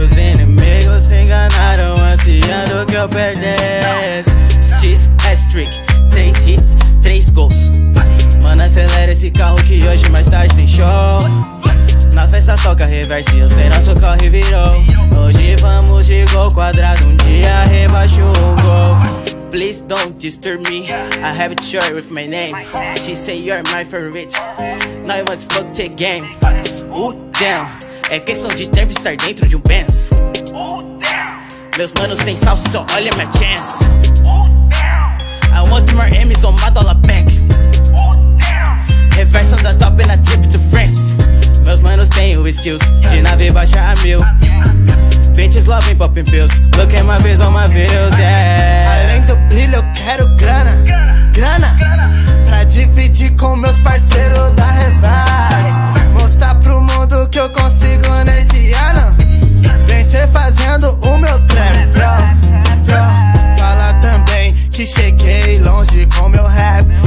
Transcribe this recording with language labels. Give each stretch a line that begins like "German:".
Portuguese: Os inimigos se enganaram ansiando que eu perdesse. X, hat-trick, 3 hits, 3 gols. Mano, acelera esse carro que hoje mais tarde tem show. Na festa toca reverse, eu sei nosso corre virou. Hoje vamos de gol quadrado, um dia rebaixo o gol.
English: Please don't disturb me, I have a choice with my name. She say you're my favorite, now I want to fuck the game. Oh damn,
Portuguese: é questão de tempo estar dentro de Benz. Meus manos tem salsa, só olha minha chance.
English: I want more M's on my dollar bank. Reverse on the top and a trip to France.
Portuguese: Meus manos tem o skills, de nave baixa a mil.
English: Bitches love me popping pills. Look at my views, all my views, yeah.
Portuguese: Além do brilho, eu quero grana. Pra dividir com meus parceiros da Reverse. Mostrar pro mundo que eu consigo nesse ano. Vencer fazendo o meu trap, bro. Fala também que cheguei longe com meu rap.